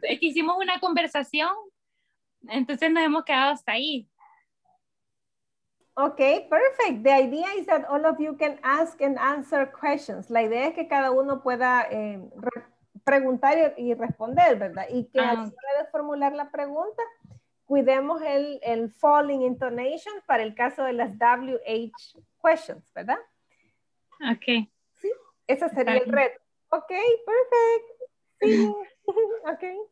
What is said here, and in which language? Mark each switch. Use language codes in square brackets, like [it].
[es] Es que hicimos una conversación, entonces nos hemos quedado hasta ahí. [en] Okay, perfect. The idea is that all of you can ask and answer questions. [es] La idea es que cada uno pueda preguntar y responder, ¿verdad? Y que al final de formular la pregunta, cuidemos el falling intonation para el caso de las WH questions, ¿verdad? [en] Okay. [es] Ese sería el reto. Ok, perfecto. Sí. Ok.